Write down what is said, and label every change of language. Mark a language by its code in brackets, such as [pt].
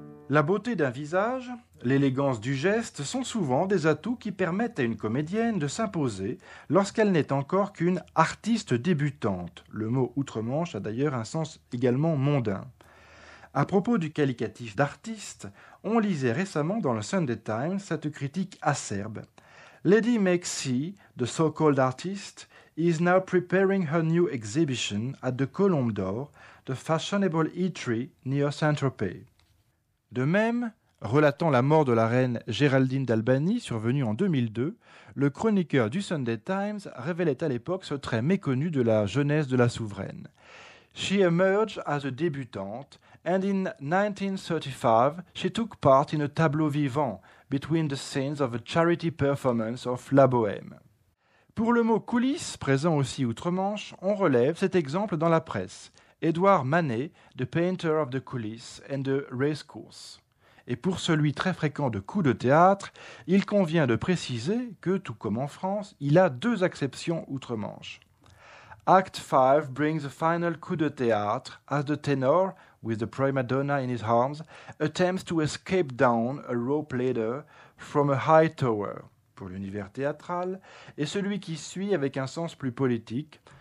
[fr] La beauté d'un visage, l'élégance du geste sont souvent des atouts qui permettent à une comédienne de s'imposer lorsqu'elle n'est encore qu'une artiste débutante. Le mot outre-manche a d'ailleurs un sens également mondain. À propos du qualificatif d'artiste, on lisait récemment dans le Sunday Times cette critique acerbe. [en] Lady Maxie, the so-called artist, is now preparing her new exhibition at the Colombe d'Or, the fashionable eatery near Saint-Tropez. [fr] De même, relatant la mort de la reine Géraldine d'Albany survenue en 2002, le chroniqueur du Sunday Times révélait à l'époque ce trait méconnu de la jeunesse de la souveraine. [en] She emerged as a débutante, and in 1935, she took part in a tableau vivant between the scenes of a charity performance of La Bohème. [fr] Pour le mot coulisses, présent aussi outre-Manche, on relève cet exemple dans la presse. [en] Édouard Manet, the painter of the coulisses and the race course. [fr] Et pour celui très fréquent de coups de théâtre, il convient de préciser que, tout comme en France, il a deux acceptions outre-Manche. [en] Act 5 brings a final coup de théâtre as the tenor, with the prima donna in his arms, attempts to escape down a rope ladder from a high tower, [fr] pour l'univers théâtral, et celui qui suit avec un sens plus politique.